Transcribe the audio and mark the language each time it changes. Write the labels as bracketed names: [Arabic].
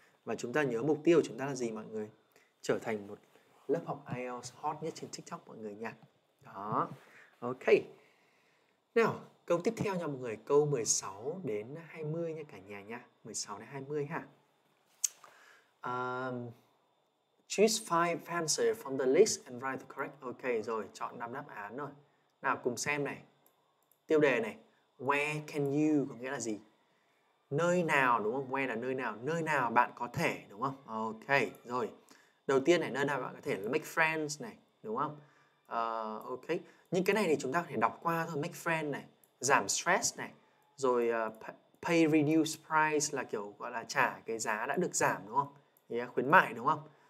[Vietnamese] Và chúng ta nhớ mục tiêu của chúng ta là gì mọi người? Trở thành một lớp học IELTS hot nhất trên TikTok mọi người nha. Đó, ok. Nào, câu tiếp theo nha mọi người, câu 16 đến 20 nha cả nhà nha. 16 đến 20 ha. [English] Choose 5 answers from the list and write the correct. [Vietnamese] Ok rồi, chọn 5 đáp án rồi. Nào cùng xem này. Tiêu đề này, [English] where can you [Vietnamese] có nghĩa là gì? Nơi nào đúng không? Where là nơi nào bạn có thể đúng không? Ok, rồi. Đầu tiên này, nơi nào bạn có thể là make friends này, đúng không? Ok. Những cái này thì chúng ta có thể đọc qua thôi, make friends này, giảm stress này, rồi [English] pay reduced price [Vietnamese] là kiểu gọi là trả cái giá đã được giảm đúng không? Yeah, khuyến mại đúng không?